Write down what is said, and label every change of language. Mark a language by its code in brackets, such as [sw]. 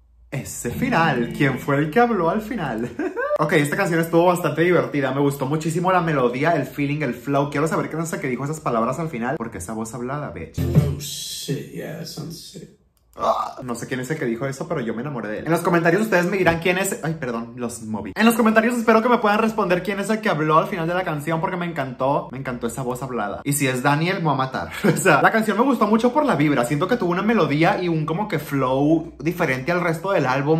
[es] Ese final, ¿quién fue el que habló al final? Ok, esta canción estuvo bastante divertida. Me gustó muchísimo la melodía, el feeling, el flow. Quiero saber qué es lo que dijo esas palabras al final, porque esa voz hablada, bitch. [en] Oh, shit, yeah, that sounds sick. [es] No sé quién es el que dijo eso, pero yo me enamoré de él. En los comentarios ustedes me dirán quién es. Ay, perdón, los moví. En los comentarios espero que me puedan responder quién es el que habló al final de la canción, porque me encantó esa voz hablada. Y si es Daniel, me va a matar. O sea, la canción me gustó mucho por la vibra. Siento que tuvo una melodía y un como que flow diferente al resto del álbum.